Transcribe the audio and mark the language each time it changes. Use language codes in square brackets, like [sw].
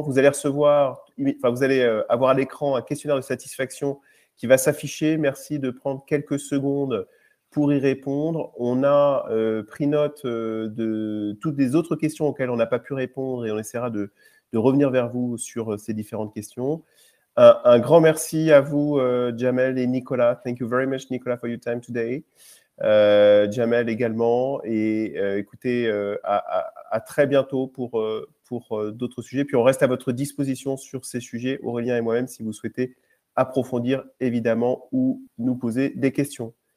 [fr] Vous allez recevoir, enfin vous allez avoir à l'écran un questionnaire de satisfaction qui va s'afficher. Merci de prendre quelques secondes pour y répondre. On a pris note de toutes les autres questions auxquelles on n'a pas pu répondre et on essaiera de revenir vers vous sur ces différentes questions. Un grand merci à vous, Jamel et Nicolas. [en] Thank you very much, Nicolas, for your time today. [fr] Jamel également. Et écoutez, à très bientôt pour d'autres sujets. Puis on reste à votre disposition sur ces sujets, Aurélien et moi-même, si vous souhaitez approfondir, évidemment, ou nous poser des questions.